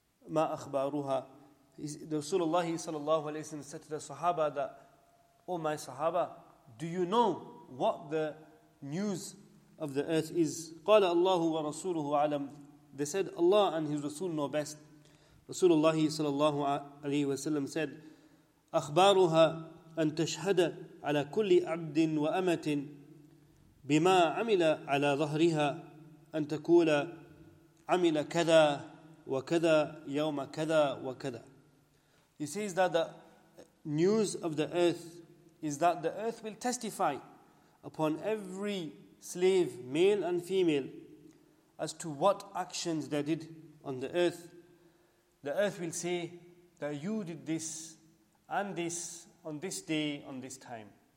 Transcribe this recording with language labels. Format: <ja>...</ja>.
<ar>مَا أَخْبَارُهَا</ar> <en>رسول الله صلى الله عليه وسلم said to the Sahaba that, Oh my Sahaba, do you know what the news of the earth is?</en> <ar>قَالَ اللَّهُ وَرَسُولُهُ عَلَمْ</ar> <en>They said, Allah and His Rasul know best. Rasulullah sallallahu alayhi wa sallam said,</en> <ar>أخبارها أن تشهد على كل عبد وأمة بما عمل على ظهرها أن تقول عمل كذا وكذا يوم كذا وكذا.</ar> <en>He says that the news of the earth is that the earth will testify upon every slave, male and female, as to what actions they did on the earth. The earth will say that you did this and this on this day, on this time.</en>